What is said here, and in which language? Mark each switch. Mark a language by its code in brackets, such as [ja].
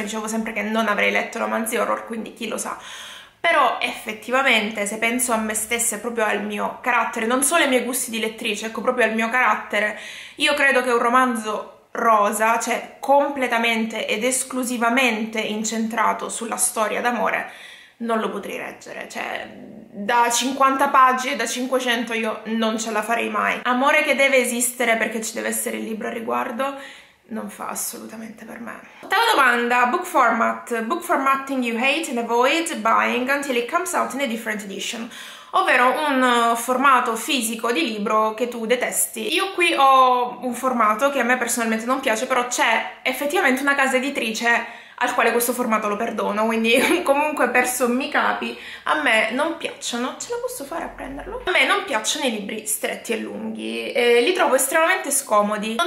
[it] Dicevo sempre che non avrei letto romanzi horror, quindi chi lo sa. Però effettivamente, se penso a me stessa e proprio al mio carattere, non solo ai miei gusti di lettrice, ecco, proprio al mio carattere, io credo che un romanzo rosa, cioè completamente ed esclusivamente incentrato sulla storia d'amore, non lo potrei reggere, cioè da 50 pagine, da 500 io non ce la farei mai. Amore che deve esistere perché ci deve essere il libro a riguardo, non fa assolutamente per me. Ottava domanda, book format. [en] Book formatting you hate and avoid buying until it comes out in a different edition. [it] Ovvero un formato fisico di libro che tu detesti. Io qui ho un formato che a me personalmente non piace, però c'è effettivamente una casa editrice al quale questo formato lo perdono, quindi comunque perso mi capi, a me non piacciono. Ce la posso fare a prenderlo? A me non piacciono i libri stretti e lunghi, li trovo estremamente scomodi.